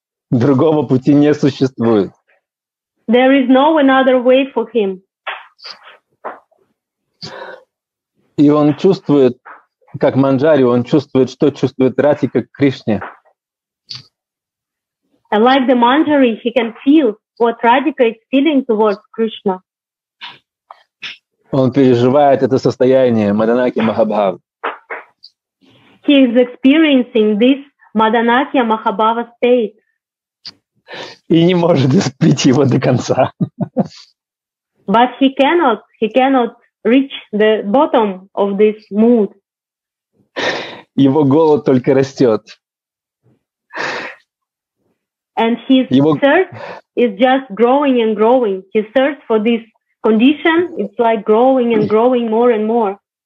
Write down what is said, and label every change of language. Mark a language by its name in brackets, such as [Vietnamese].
[Russian] Другого пути не существует. [English] There is no another way for him. [Russian] И он чувствует, как Манджари, он чувствует, что чувствует Радхика к Кришне. [English] And like the Manjari, he can feel what Radhika is feeling towards Krishna. [Russian] Он переживает это состояние Маданакья Махабхава. [English] He is experiencing this Маданакья Махабхава state. [Russian] И не может испить его до конца. [English] But he cannot reach the bottom of this mood. [Russian] Его голод только растет. [English] And his thirst is just growing and growing. His thirst for this condition, it's like growing and growing more and more.